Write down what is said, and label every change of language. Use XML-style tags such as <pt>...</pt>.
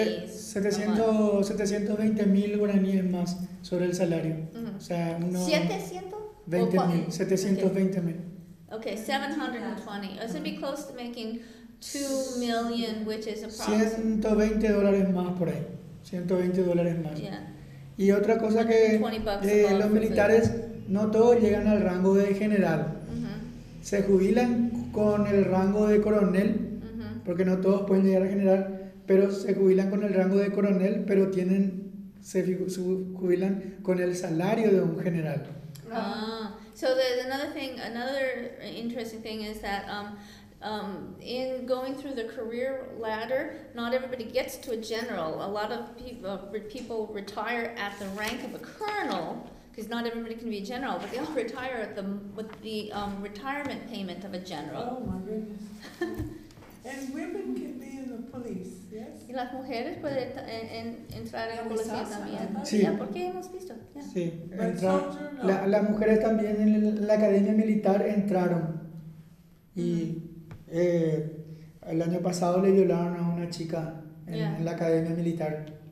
<es>720,000 guaraníes más sobre el salario. O sea, 720,000.</es> <en>Okay, 720. So it'd be close to making $2 million, which is approximately</en> <es>$120 más por ahí. $120 más.</es> <en>Yeah.</en> <es>Y otra cosa que los militares, no todos llegan al rango de general. Uh-huh. Se jubilan con el rango de coronel, uh-huh, porque no todos pueden llegar a general, pero se jubilan con el rango de coronel, pero tienen, se jubilan con el salario de un general.</es> <en>So another interesting thing is that in going through the career ladder, not everybody gets to a general. A lot of people retire at the rank of a colonel, because not everybody can be a general, but they all retire at with the retirement payment of a general. Oh my goodness. And women can be in the police, yes?</en> <es>Y las mujeres pueden entrar en la policía también. Sí. Porque hemos visto. Sí. Las mujeres también en la academia militar entraron. Y el año pasado le violaron a una chica en la academia militar.</es>